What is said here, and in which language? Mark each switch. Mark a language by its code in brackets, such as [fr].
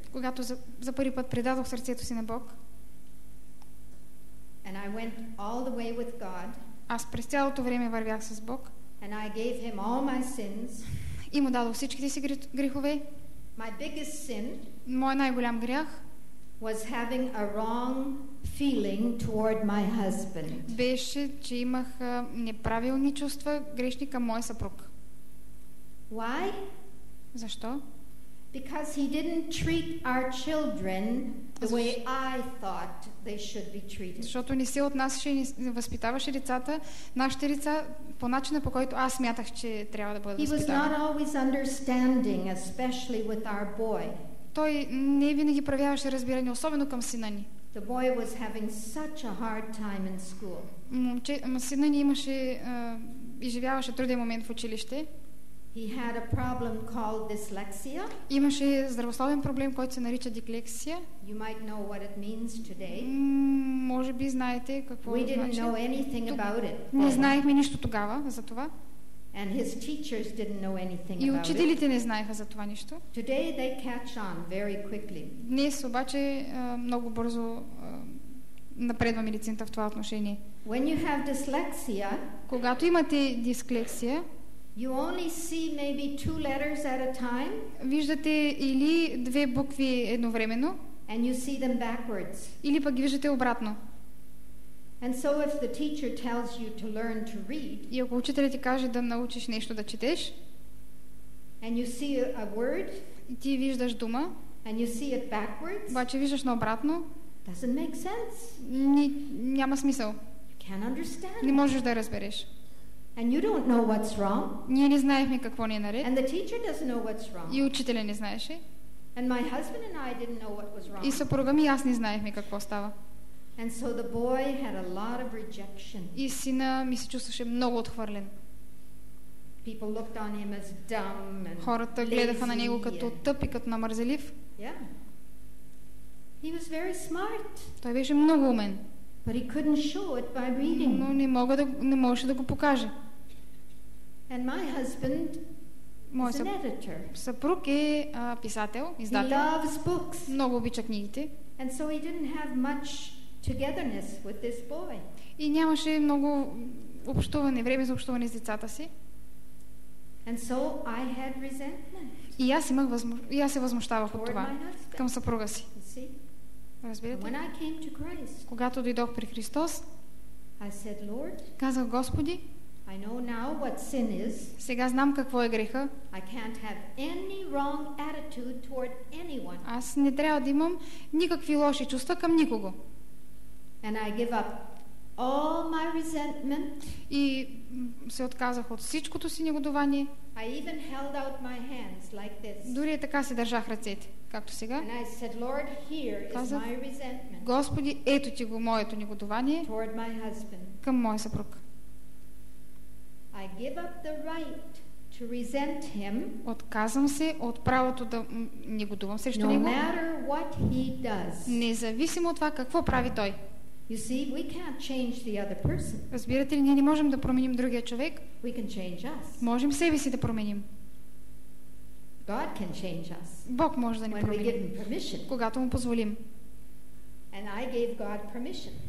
[bg] когато за първи път предадох сърцето си на Бог, [en] and I went all the way with God, [bg] аз през цялото време вървях с Бог, [en] and I gave him all my sins, [bg] и му дадох всичките си грехове, [en] my biggest sin, [bg] моя най-голям грях, [en] was having a wrong feeling toward my husband. [bg] Беше, че имах неправилни чувства, грешни към моя съпруг. [en] Why? [bg] Защо? [en] Because he didn't treat our children the way I thought they should be treated. [bg] Защото не се отнасяше и възпитаваше децата, нашите деца, по начина, по който аз смятах, че трябва да бъдат възпитавани. [en] He was not always understanding, especially with our boy. [bg] Той не винаги проявяваше разбиране, особено към сина ни. [en] The boy was having such a hard time in school. [bg] Сина ни имаше, изживяваше труден момент в училище. [en] He had a problem called dyslexia. [bg] Имаше здравословен проблем, който се нарича дислексия. [en] You might know what it means today. [bg] Може би знаете какво значи. [en] We didn't know anything about it. [bg] Не знаехме нищо тогава за това. [en] And his teachers didn't know anything about it. [bg] И учителите не знаеха за това нищо. [en] Today they catch on very quickly. [bg] Днес обаче много бързо напредва медицината в това отношение. [en] When you have dyslexia, [bg] когато имате дислексия, [en] you only see maybe two letters at a time. [bg] Виждате или две букви едновременно, [en] and you see them backwards. [bg] Или пък ги виждате обратно. [en] And so if the teacher tells you to learn to read, [bg] и ако учителят ти каже да научиш нещо да четеш, [en] and you see a word, [bg] и ти виждаш дума, [en] and you see it backwards, [bg] обаче виждаш наобратно, [en] doesn't make sense. [bg] Няма смисъл. [en] You can't understand. [bg] Не можеш да разбереш. [en] And you don't know what's wrong. [bg] Ние не знаехме какво ни е наред. [en] And the teacher doesn't know what's wrong. [bg] И учителя не знаеше. [en] And my husband and I didn't know what was wrong. [bg] И съпруга ми и аз не знаехме какво става. [en] And so the boy had a lot of rejection. [bg] И сина ми се чувстваше много отхвърлен. [en] People looked on him as dumb and [bg] хората гледаха на него като тъп и като намързелив. [en] Yeah. He was very smart. [bg] Той беше много умен. [en] But he couldn't show it by reading. [bg] Но не можеше да го покаже. [en] And my husband, [bg] мой [en] editor. [bg] Съпруг е писател, издател. [en] He loves books. [bg] Много обича книгите. [en] And so he didn't have much togetherness with this boy. [bg] И нямаше много общуване, време за общуване с децата си. [en] And so I had resentment. [bg] И аз се възмущавах от това към съпруга си. [en] See? [bg] Разбирате? [en] When I came to Christ, [bg] когато дойдох при Христос, [en] I said, Lord, [bg] казах: Господи, [en] I know now what sin is. [bg] Сега знам какво е греха. [en] I can't have any wrong attitude toward anyone. [bg] Аз не трябва да имам никакви лоши чувства към никого. [en] And I give up all my resentment. [bg] И се отказах от всичкото си негодование. [en] I even held out my hands like this. [bg] Дори така се държах ръцете, както сега. [en] And I said, Lord, here is my resentment. [bg] Господи, ето ти го моето негодование [en] toward my husband. [bg] Към моя съпруг. [en] I give up the right to resent him. [bg] Отказвам се от правото да негодувам срещу него. [en] No matter what he does. [bg] Независимо от това какво прави той. [en] You see, we can't change the other person. [bg] Разбирате ли, ние не можем да променим другия човек. [en] We can change us. [bg] Можем себе си да променим. [en] God can change us. [bg] Бог може да ни [en] when [bg] промени. [en] We give him permission. [bg] Когато му позволим. [en] And I gave God permission.